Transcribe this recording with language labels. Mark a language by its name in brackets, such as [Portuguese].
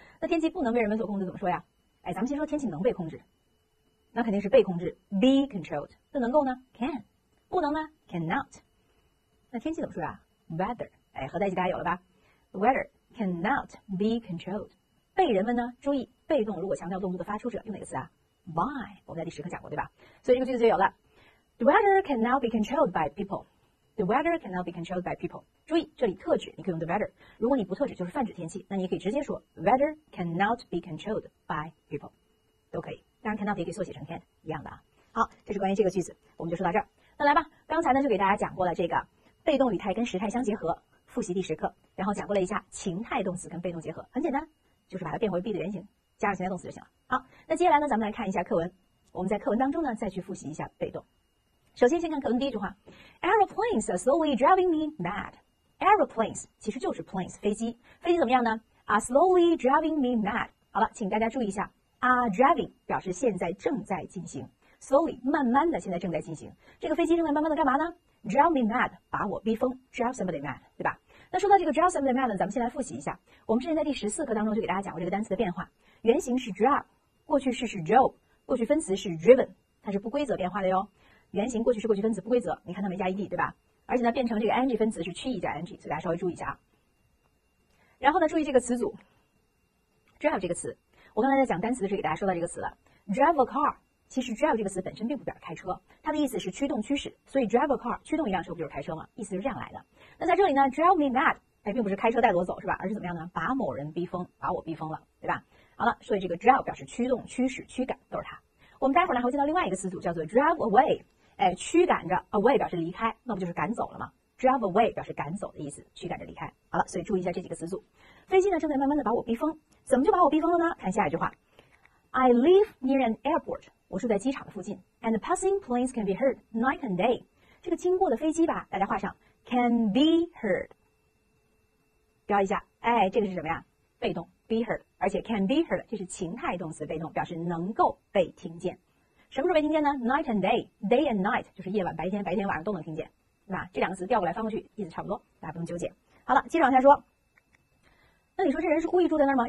[Chinese] 那天气不能被人们所控制怎么说呀？哎，咱们先说天气能被控制，那肯定是被控制 ， [English] be controlled。 [Chinese] 那能够呢 ？can。不能呢 ？cannot。那天气怎么说呀 ？weather。哎，合在一起大家有了吧 ？ [English] weather cannot be controlled。 [Chinese] 被人们呢？注意，被动如果强调动物的发出者，用哪个词啊 ？by。我们在第十课讲过对吧？所以这个句子就有了 ， [English] the weather cannot be controlled by people。 The weather cannot be controlled by people. [Chinese] 注意，这里特指，你可以用 [English] the weather. [Chinese] 如果你不特指，就是泛指天气，那你可以直接说 [English] weather cannot be controlled by people. [Chinese] 都可以，当然 cannot 也可以缩写成 can 一样的啊。好，这是关于这个句子，我们就说到这儿。那来吧，刚才呢就给大家讲过了这个被动语态跟时态相结合，复习第十课，然后讲过了一下情态动词跟被动结合，很简单，就是把它变回 be 的原型，加上情态动词就行了。好，那接下来呢，咱们来看一下课文，我们在课文当中呢再去复习一下被动。首先先看课文第一句话 [English] Aeroplanes are slowly driving me mad. [Chinese] Aeroplanes 其实就是 planes 飞机，飞机怎么样呢？ [English] Are slowly driving me mad. [Chinese] 好了，请大家注意一下 Are driving 表示现在正在进行， slowly 慢慢的现在正在进行，这个飞机正在慢慢的干嘛呢？ [English] Drive me mad [Chinese] 把我逼疯， [English] drive somebody mad [Chinese] 对吧？那说到这个 [English] drive somebody mad [Chinese] 呢，咱们先来复习一下，我们之前在第14课当中就给大家讲过这个单词的变化，原型是 drive， 过去式是 drove， 过去分词是 driven， 它是不规则变化的哟。原型过去式过去分词不规则，你看它没加 ed 对吧？而且呢变成这个 ing 分词是去 e 加 ing， 所以大家稍微注意一下啊。然后呢注意这个词组 drive 这个词，我刚才在讲单词的时候给大家说到这个词了， [English] drive a car， [Chinese] 其实 drive 这个词本身并不表示开车，它的意思是驱动驱使，所以 drive a car 驱动一辆车不就是开车吗？意思是这样来的。那在这里呢 [English] drive me mad [Chinese] 哎，并不是开车带我走是吧，而是怎么样呢？把某人逼疯，把我逼疯了对吧。好了，所以这个 drive 表示驱动驱使驱赶都是它。我们待会儿呢还会见到另外一个词组叫做 [English] drive away， [Chinese] 哎，驱赶着 away 表示离开，那不就是赶走了吗？ [English] drive away [Chinese] 表示赶走的意思，驱赶着离开。好了，所以注意一下这几个词组。飞机呢正在慢慢的把我逼疯，怎么就把我逼疯了呢？看下一句话 [English] I live near an airport， [Chinese] 我住在机场的附近， [English] and passing planes can be heard night and day， [Chinese] 这个经过的飞机吧，大家画上 [English] can be heard， [Chinese] 标一下。哎，这个是什么呀？被动 [English] be heard， [Chinese] 而且 [English] can be heard [Chinese] 这是情态动词被动，表示能够被听见。什么时候被听见呢？ [English] night and day， day and night [Chinese] 就是夜晚白天，白天晚上都能听见，对吧？这两个词调过来翻过去意思差不多，大家不用纠结。好了，接着往下说，那你说这人是故意住在那儿吗？